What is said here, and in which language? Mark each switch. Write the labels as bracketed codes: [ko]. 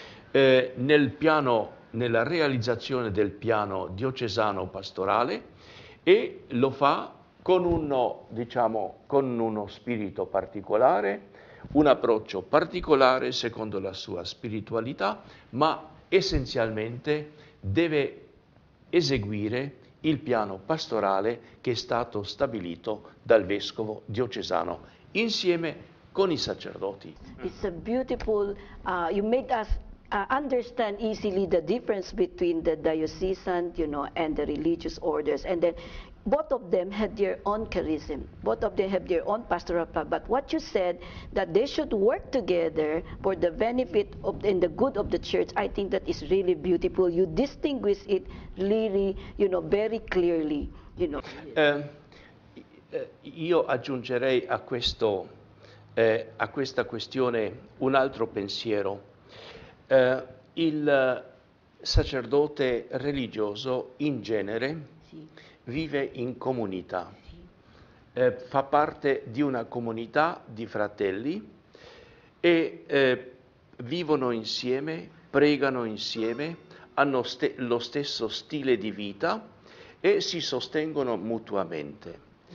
[it] nella realizzazione del piano diocesano pastorale, e lo fa con uno spirito particolare, un approccio particolare secondo la sua spiritualità, ma essenzialmente deve eseguire il piano pastorale che è stato stabilito dal vescovo diocesano insieme con i sacerdoti. [en] It's a beautiful, you made us understand easily the difference between the diocesan, you know, and the religious orders. And then both of them had their own charism. Both of them have their own pastoral plan. But what you said, that they should work together for the benefit of and the good of the church, I think that is really beautiful. You distinguish it really, you know, very clearly, you know. [it] Io aggiungerei a questo, a questa questione un altro pensiero. Il sacerdote religioso in genere vive in comunità, fa parte di una comunità di fratelli e vivono insieme, pregano insieme, hanno lo stesso stile di vita e si sostengono mutuamente.